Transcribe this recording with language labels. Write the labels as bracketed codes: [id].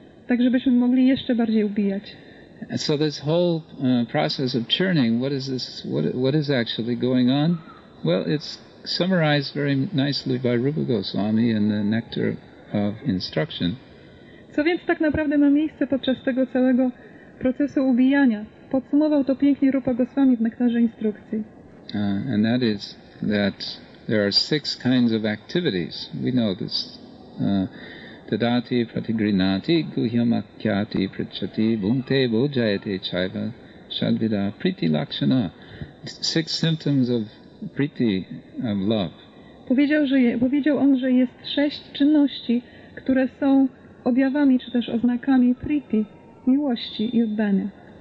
[pl] Tak żebyśmy mogli jeszcze bardziej ubijać. [en] So this whole process of churning, what is this? What is actually going on? Well, it's summarized very nicely by Rupa Goswami in the Nectar of Instruction. [pl] Co więc tak naprawdę ma miejsce podczas tego całego procesu ubijania? Podsumował to pięknie Rupa Goswami w Nektarze Instrukcji. [en] And that is that there are six kinds of activities. We know this. [sa] Tadati, pratigrinati, guhyamakhyati, pritchati, bhunte, bhojayate, chaiva, shadvida, priti lakshana. [en] Six symptoms of priti, of love. [pl] Powiedział on, że jest sześć czynności, które są objawami czy też oznakami priti, miłości i oddania.